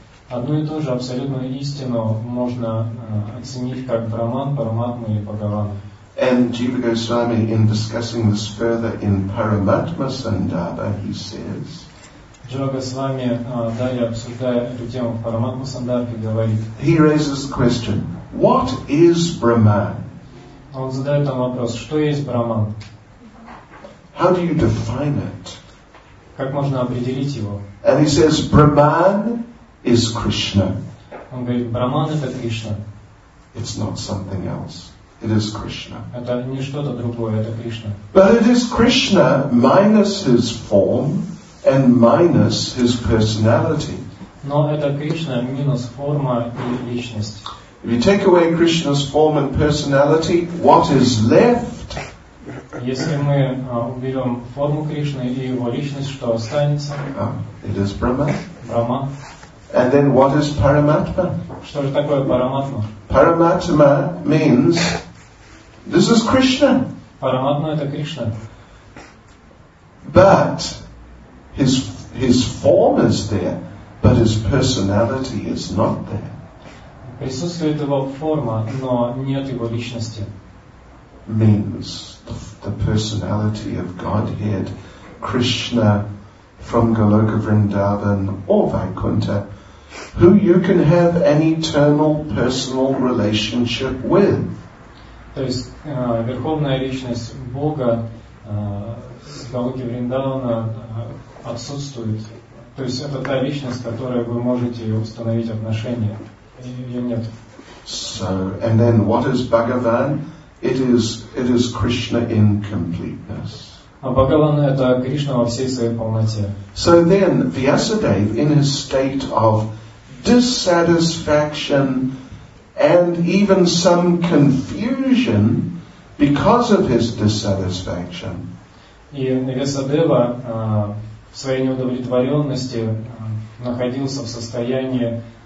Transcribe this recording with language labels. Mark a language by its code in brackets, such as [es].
[ru] Одну и ту же абсолютную истину можно оценить как Брахман, Параматма или Бхагаван. [en] And Jiva Goswami, in discussing this further in Paramatma Sandarbha, he says. [ru] Джива Госвами, далее обсуждая эту тему в Параматма Сандарбхе, говорит. [en] He raises the question, what is Brahman? [ru] Он задает там вопрос, что есть Брахман? [en] How do you define it? [ru] Как можно определить его? [en] And he says, Brahman is Krishna. [ru] Он говорит, Брахман это Кришна. [en] It's not something else. It is Krishna. [ru] Это не что-то другое, это Кришна. [en] But it is Krishna minus his form and minus his personality. [ru] Но это Кришна минус форма и личность. [en] If you take away Krishna's form and personality, what is left? [ru] Если мы уберем форму Кришны и его личность, что останется? [en] It is Brahma. [ru] Брахма. [en] And then what is Paramatma? [ru] Что же такое Параматма? [en] Paramatma means this is Krishna. [ru] Параматма это Кришна. [en] But his form is there, but his personality is not there. [ru] Присутствует его форма, но нет его личности. [en] Means the personality of Godhead, Krishna from Goloka Vrindavan or Vaikuntha, who you can have an eternal personal relationship with. [ru] То есть верховная личность Бога с Голоки Вриндавана отсутствует. То есть это та личность, с которой вы можете установить отношения. Ее нет. [en] So, and then what is Bhagavan? It is Krishna in completeness. [ru] А Бхагаван это Кришна во всей своей полноте. [en] So then Vyasadeva in his state of dissatisfaction and even some confusion because of his dissatisfaction. [ru] И Вьясадева в своей неудовлетворенности находился в состоянии